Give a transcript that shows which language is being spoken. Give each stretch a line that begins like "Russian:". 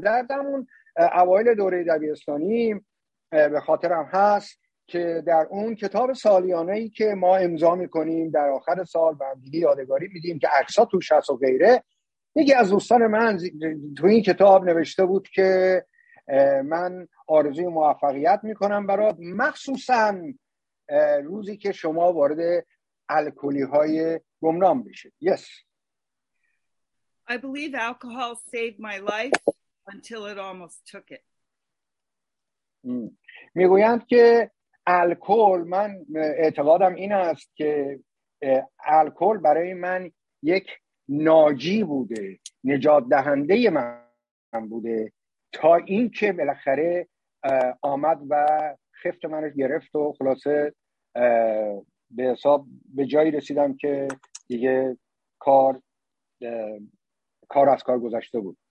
Persian: در همون اوایل دوره دبیرستانی به خاطرم هست که در اون کتاب سالیانه‌ای که ما امضا می‌کنیم در آخر سال و دیگه یادگاری می‌دیم که عکس‌ها توش هست و غیره، یکی از دوستان من تو این کتاب نوشته بود که من آرزوی موفقیت می‌کنم برای مخصوصاً روزی که شما وارد الکلی‌های گمنام بشید.
English: Yes. I believe alcohol saved my life until it almost took it.
Persian: می‌گویند که الکل، من اعتقادم این است که الکل برای من یک ناجی بوده، نجات دهنده من بوده تا این که بالاخره آمد و خفت منو گرفت و خلاصه به حساب به جایی رسیدم که دیگه کار از کار گذشته بود.